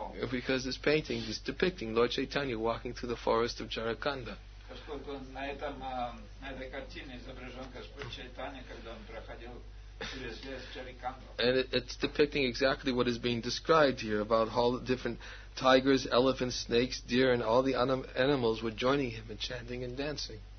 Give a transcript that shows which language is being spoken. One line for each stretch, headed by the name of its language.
English: Because this painting is depicting Lord Chaitanya walking through the forest of Jarakanda.
Russian: Поскольку на этом на этой картине изображен Господь Чайтанья, когда он проходил через лес Чариканду.
English: And it's depicting exactly what is being described here about all the different tigers, elephants, snakes, deer, and all the animals were joining him and chanting and dancing.